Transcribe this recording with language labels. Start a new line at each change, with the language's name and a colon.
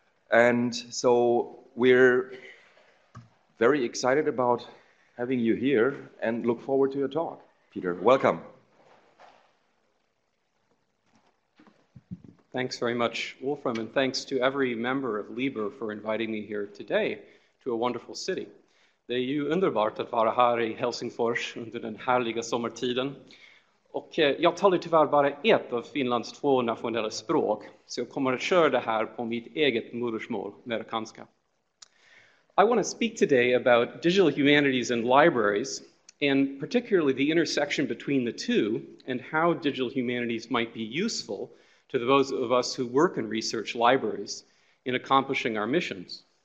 English: And so we're very excited about having you here and look forward to your talk. Peter, welcome. Thanks very much, Wolfram, and thanks to every member of LIBER for inviting me here today to a wonderful city.
Swedish: Det är ju underbart att vara här I Helsingfors under den härliga sommartiden. Och jag talar tyvärr bara ett av Finlands två nationella språk, så jag kommer att köra det här på mitt eget modersmål, amerikanska.
English: I want to speak today about digital humanities and libraries, and particularly the intersection between the two, and how digital humanities might be useful to those of us who work and research libraries in accomplishing our missions.